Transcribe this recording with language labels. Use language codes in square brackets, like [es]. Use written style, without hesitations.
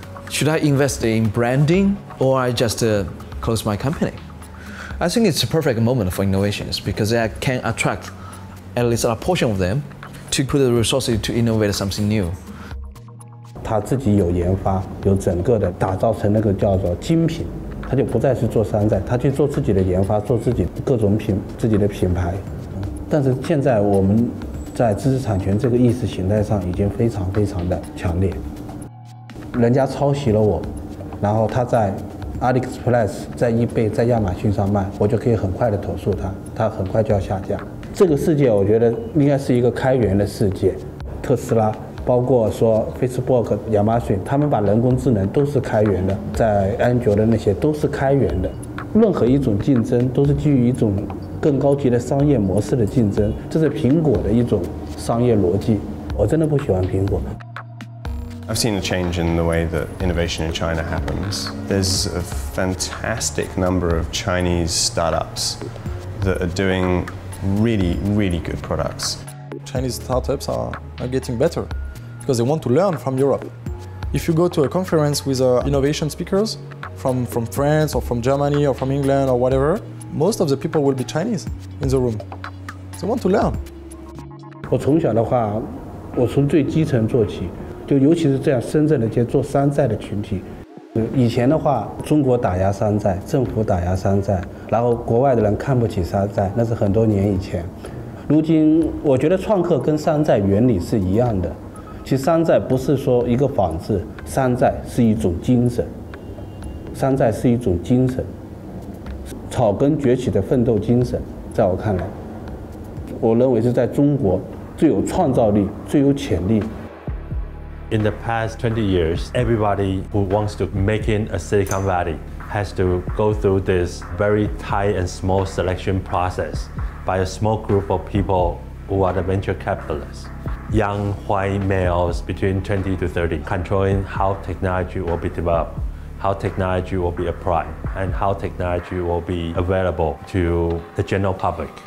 [en] Should I invest in branding or I just close my company? I think it's a perfect moment for innovations because it can attract at least a portion of them, to put the resources to innovate something new. [zh] 他自己有研发，有整个的打造成那个叫做精品，他就不再是做山寨，他去做自己的研发，做自己各种品，自己的品牌。但是现在我们在知识产权这个意识形态上已经非常非常的强烈。人家抄袭了我，然后他在 AliExpress、在 eBay、在亚马逊上卖，我就可以很快的投诉他，他很快就要下架。这个世界我觉得应该是一个开源的世界，特斯拉包括说 Facebook、亚马逊，他们把人工智能都是开源的，在安卓的那些都是开源的，任何一种竞争都是基于一种更高级的商业模式的竞争，这是苹果的一种商业逻辑。我真的不喜欢苹果。 [en] I've seen a change in the way that innovation in China happens. There's a fantastic number of Chinese startups that are doing really, really good products. Chinese startups are getting better because they want to learn from Europe. If you go to a conference with innovation speakers from France or from Germany or from England or whatever, most of the people will be Chinese in the room. They want to learn. [zh] 我从小的话，我从最基层做起，就尤其是这样深圳的这些做山寨的群体。以前的话，中国打压山寨，政府打压山寨，然后国外的人看不起山寨，那是很多年以前。如今我觉得创客跟山寨原理是一样的，其实山寨不是说一个仿制，山寨是一种精神，山寨是一种精神，草根崛起的奋斗精神。在我看来，我认为是在中国最有创造力，最有潜力。 [en] In the past 20 years, everybody who wants to make in a Silicon Valley has to go through this very tight and small selection process by a small group of people who are the venture capitalists. Young white males between 20 to 30 controlling how technology will be developed, how technology will be applied, and how technology will be available to the general public.